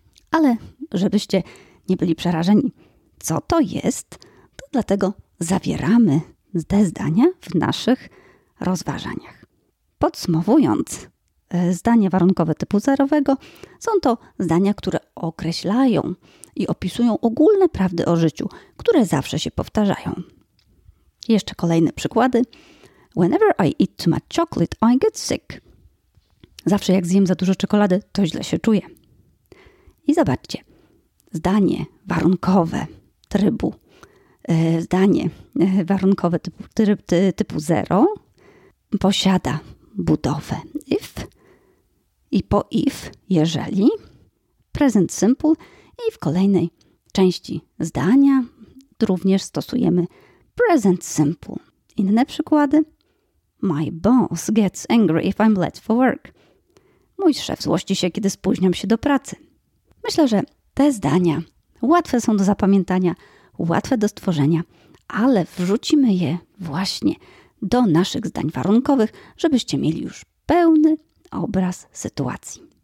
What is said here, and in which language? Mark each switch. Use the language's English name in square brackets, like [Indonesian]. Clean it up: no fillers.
[Polish] Ale żebyście nie byli przerażeni, co to jest, to dlatego zawieramy te zdania w naszych rozważaniach. Podsumowując, zdania warunkowe typu zerowego są to zdania, które określają i opisują ogólne prawdy o życiu, które zawsze się powtarzają. Jeszcze kolejne przykłady. [English] Whenever I eat too much chocolate, I get sick. [Polish] Zawsze jak zjem za dużo czekolady, to źle się czuję. I zobaczcie, zdanie warunkowe trybu, zdanie warunkowe typu zero posiada budowę if i po if, jeżeli, present simple i w kolejnej części zdania również stosujemy present simple. Inne przykłady. [English] My boss gets angry if I'm late for work. [Polish] Mój szef złości się, kiedy spóźniam się do pracy. Myślę, że te zdania łatwe są do zapamiętania, łatwe do stworzenia, ale wrzucimy je właśnie do naszych zdań warunkowych, żebyście mieli już pełny obraz sytuacji.